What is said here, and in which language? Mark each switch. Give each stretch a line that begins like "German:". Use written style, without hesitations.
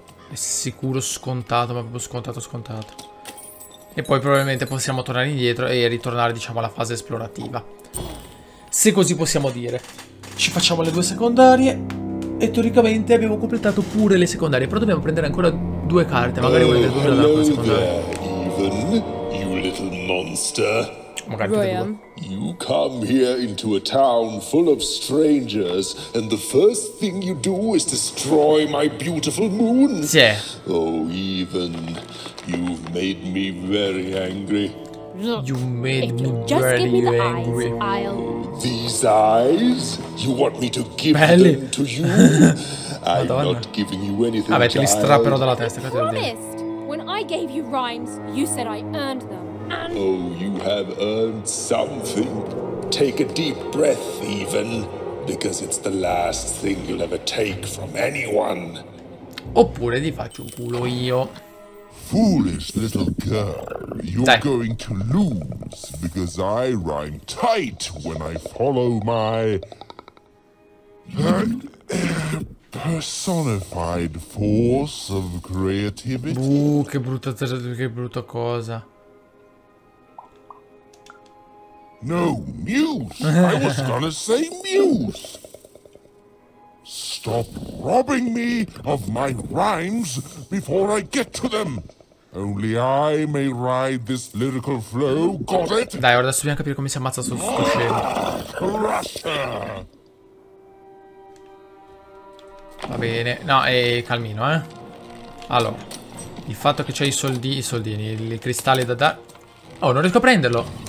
Italian: È sicuro scontato, ma proprio scontato scontato. E poi probabilmente possiamo tornare indietro e ritornare, diciamo, alla fase esplorativa. Se così possiamo dire. Ci facciamo le due secondarie. E teoricamente abbiamo completato pure le secondarie. Però dobbiamo prendere ancora due carte. Magari una del 2000 della secondaria.
English: Even, you little monster. Roian, you come here into a town full of strangers, and the first thing you do is destroy my beautiful moon.
Italian: Sì.
English: Oh, even, you've made me very angry. You made me very angry. These eyes? You want me to give them to you? I'm not giving you anything.
Italian: Vabbè, te li strapperò dalla testa.
English: I promised. When I gave you rhymes, you said I earned them. Oh, you have earned something. Take a deep breath, even, because it's the last thing you'll ever take from anyone.
Italian: Oppure ti faccio un culo io.
English: Foolish little girl, you're Dai. Going to lose because I rhyme tight when I follow my personified force of creativity.
Italian: Che brutta cosa.
English: No, Muse! I was gonna say Muse! Stop robbing me of my rhymes before I get to them! Only I may ride this lyrical flow, got it?
Italian: Dai, ora dobbiamo capire come si ammazza su sto scemo.
English: Crusher!
Italian: Va bene, no, calmino, eh. Allora, il fatto che c'hai i soldini, i cristalli da dare. Oh, non riesco a prenderlo!